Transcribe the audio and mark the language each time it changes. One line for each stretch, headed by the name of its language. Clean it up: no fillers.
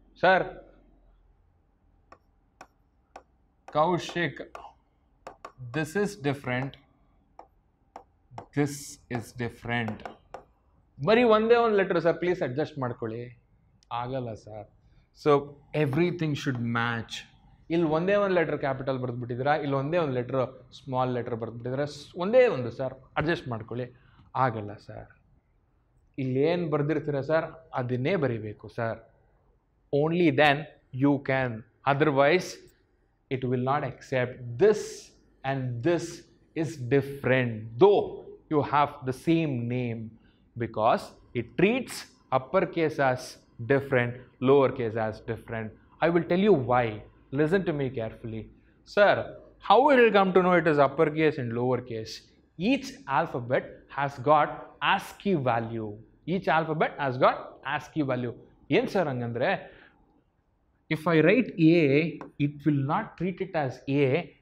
English: Sir, Kaushik, this is different, this is different. Bari one day one letter, sir, please adjust madkoli. Agala, sir. So everything should match.
Kannada: ಇಲ್ಲಿ ಒಂದೇ ಒಂದು letter capital ಬರೆದ್ಬಿಟ್ಟಿದ್ದೀರಾ, ಇಲ್ಲಿ ಒಂದೇ ಒಂದು letter small letter ಬರೆದ್ಬಿಟ್ಟಿದ್ದೀರಾ, ಒಂದೇ ಒಂದು sir, adjust ಮಾಡ್ಕೊಳ್ಳಿ. ಆಗಲ್ಲ ಸರ್, ಇಲ್ಲಿ ಏನು ಬರೆದಿರ್ತೀರ ಸರ್ ಅದನ್ನೇ ಬರೀಬೇಕು sir.
English: Only then you can, otherwise it will not except. This and this is different though you have the same name, because it treats upper case as different, lower case as different. I will tell you why. Listen to me carefully. Sir, how it will come to know it is uppercase and lowercase? Each alphabet has got ASCII value. Each alphabet has got ASCII value.
Kannada: Yen sir angandre,
English: if I write A, it will not treat it as A.